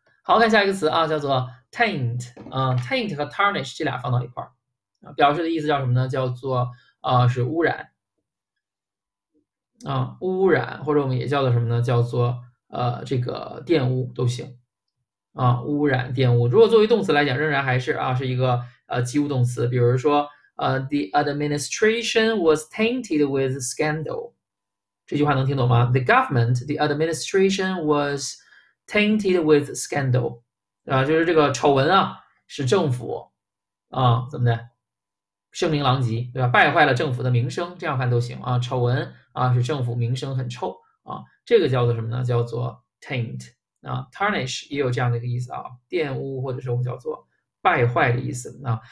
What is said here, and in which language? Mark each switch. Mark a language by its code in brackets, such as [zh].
[zh] 好，看下一个词啊，叫做 taint 啊 ，taint 和 tarnish 这俩放到一块儿啊，表示的意思叫什么呢？叫做是污染。啊，污染或者我们也叫做什么呢？叫做这个玷污都行啊，污染、玷污。如果作为动词来讲，仍然还是啊，是一个及物动词。比如说， [en] the administration was tainted with scandal。 [zh] 这句话能听懂吗 [en] ？The government, the administration was tainted with scandal。 [zh] 啊，就是这个丑闻啊，使政府啊怎么的，声名狼藉，对吧？败坏了政府的名声，这样看都行啊，丑闻。啊，是政府名声很臭啊，这个叫做什么呢？叫做 taint 啊 ，tarnish 也有这样的一个意思啊，玷污或者是我们叫做败坏的意思啊。